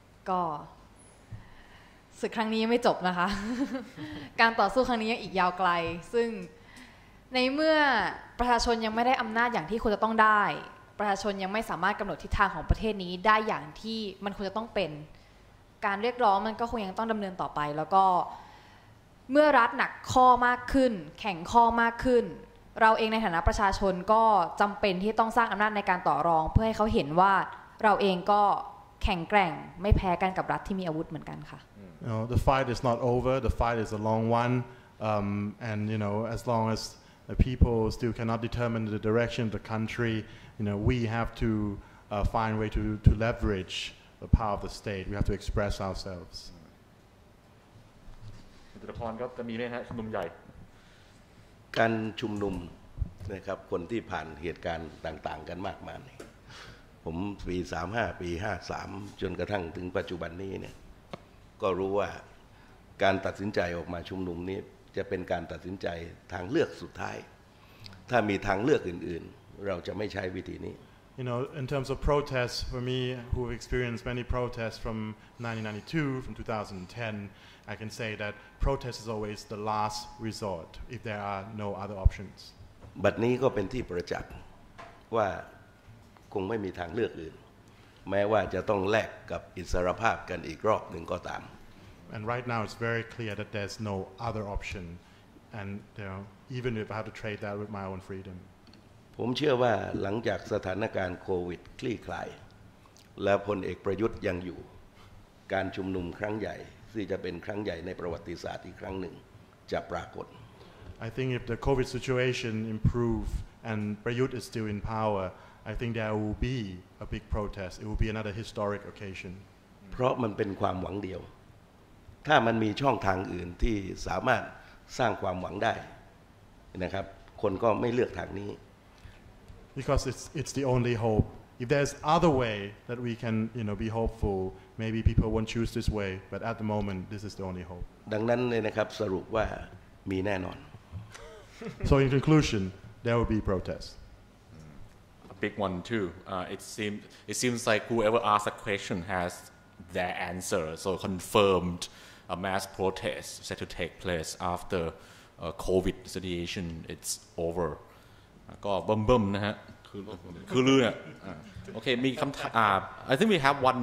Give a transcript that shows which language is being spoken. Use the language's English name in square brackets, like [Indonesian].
[Thai] ก็ศึกครั้งนี้ยังไม่จบนะคะการต่อสู้ครั้งนี้ยังอีกยาวไกลซึ่งในเมื่อประชาชนยังไม่ได้อำนาจอย่างที่ควรจะต้องได้ประชาชนยังไม่สามารถกำหนดทิศทางของประเทศนี้ได้อย่างที่มันควรจะต้องเป็นการเรียกร้องมันก็คงยังต้องดำเนินต่อไปแล้วก็ เมื่อรัฐหนักข้อมากขึ้นแข็งข้อมากขึ้นเราเองในฐานะประชาชนก็จำเป็นที่ต้องสร้างอำนาจในการต่อรองเพื่อให้เขาเห็นว่าเราเองก็แข็งแกร่งไม่แพ้กันกับรัฐที่มีอาวุธเหมือนกันค่ะ [English] You know, the fight is not over the fight is a long one and you know as long as the people still cannot determine the direction of the country you know we have to find way to leverage the power of the state we have to express ourselves [Thai] จตุพรครับจะมีไหมฮะชุมนุมใหญ่การชุมนุมนะครับคนที่ผ่านเหตุการณ์ต่างๆกันมากมายผมปี35ปี53จนกระทั่งถึงปัจจุบันนี้เนี่ยก็รู้ว่าการตัดสินใจออกมาชุมนุมนี้จะเป็นการตัดสินใจทางเลือกสุดท้ายถ้ามีทางเลือกอื่นๆเราจะไม่ใช้วิธีนี้ [English] You know in terms of protests for me who have experienced many protests from 1992 from 2010I can say that protest is always the last resort if there are no other options. [Thai] But นี้ก็เป็นที่ประจักษ์ว่าคงไม่มีทางเลือกอื่นแม้ว่าจะต้องแลกกับอิสรภาพกันอีกรอบหนึ่งก็ตาม [English] And right now it's very clear that there's no other option and you know, even if I have to trade that with my own freedom. [Thai] ผมเชื่อว่าหลังจากสถานการณ์โควิดคลี่คลายและพลเอกประยุทธ์ยังอยู่ การชุมนุมครั้งใหญ่ที่จะเป็นครั้งใหญ่ในประวัติศาสตร์อีกครั้งหนึ่งจะปรากฏ [English] I think if the COVID situation improve and Prayut is still in power I think there will be a big protest it will be another historic occasion [Thai] เพราะมันเป็นความหวังเดียวถ้ามันมีช่องทางอื่นที่สามารถสร้างความหวังได้นะครับคนก็ไม่เลือกทางนี้ [English] because it's the only hope if there's other way that we can you know be hopeful maybe people won't choose this way but at the moment this is the only hope [Thai] ดังนั้นเลยนะครับสรุปว่ามีแน่นอน [English] so in conclusion there will be protests a big one too it seems like whoever asks a question has their answer so confirmedA mass protest set to take place after COVID situation it's over [Thai] ก็บึ้มบึ้มนะฮะคือเรื่องโอเคมีคำถาม [English] I think we have